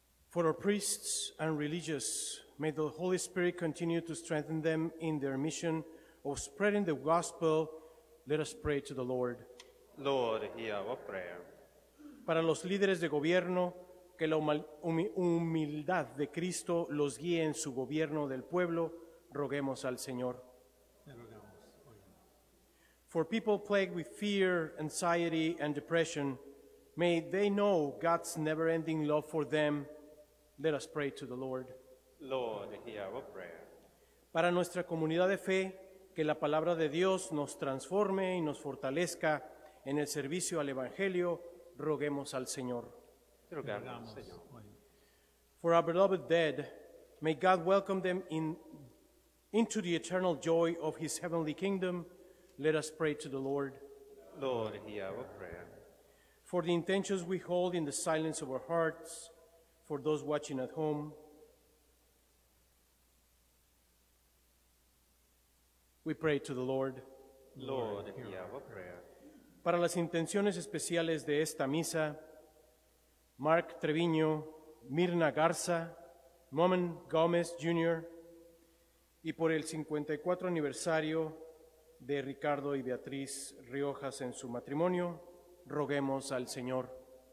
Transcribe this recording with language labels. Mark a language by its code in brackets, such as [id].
[en] For our priests and religious, may the Holy Spirit continue to strengthen them in their mission of spreading the gospel. Let us pray to the Lord. Lord, hear our prayer. [es] Para los líderes de gobierno, que la humildad de Cristo los guíe en su gobierno del pueblo, roguemos al Señor. [en] For people plagued with fear, anxiety, and depression, may they know God's never-ending love for them. Let us pray to the Lord. Lord, hear our prayer. [es] Para nuestra comunidad de fe, que la palabra de Dios nos transforme y nos fortalezca en el servicio al Evangelio, roguemos al Señor. Rogamos, Señor. [en] For our beloved dead, may God welcome them into the eternal joy of his heavenly kingdom. Let us pray to the Lord. Lord, hear our prayer. For the intentions we hold in the silence of our hearts, for those watching at home, we pray to the Lord. Lord, hear our prayer. [es] Para las intenciones especiales de esta misa, Mark Treviño, Mirna Garza, Momen Gomez Jr., y por el 54 aniversario de Ricardo y Beatriz Riojas en su matrimonio, roguemos al Señor.